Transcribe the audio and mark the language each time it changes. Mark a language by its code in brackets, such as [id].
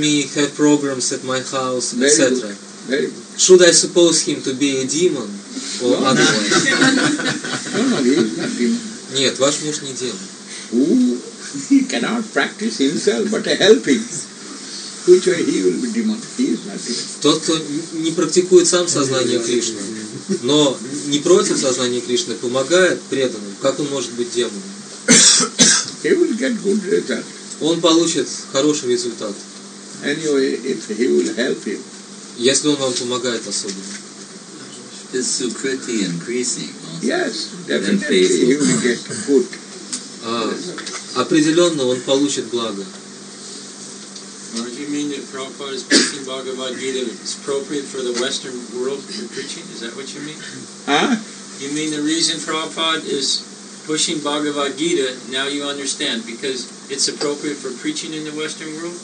[en] Me have programs at my house, very etc. Good. Very good. Should I suppose him to be a demon or no, otherwise? No, he is not demon. [ru] Нет, ваш муж не демон. [en] Ooh, he cannot practice himself, but helping. Which way he will be demon? He is not demon. [ru] Тот, кто не практикует сам сознание Кришны, но не против сознания Кришны, помогает преданным, как он может быть демоном? [en] He will get good results. [ru] Он получит хороший результат. [en] Anyway, if he will help you. [ru] Если он вам помогает особенно. [en] Is sukriti increasing? Yes, definitely. He will get good. [ru] Определенно он получит благо. [en] Do you mean that Prabhupada is preaching Bhagavad Gita is appropriate for the Western world to be preaching? Is that what you mean? Huh? You mean the reason Prabhupada is pushing Bhagavad Gita, now you understand, because it's appropriate for preaching in the Western world?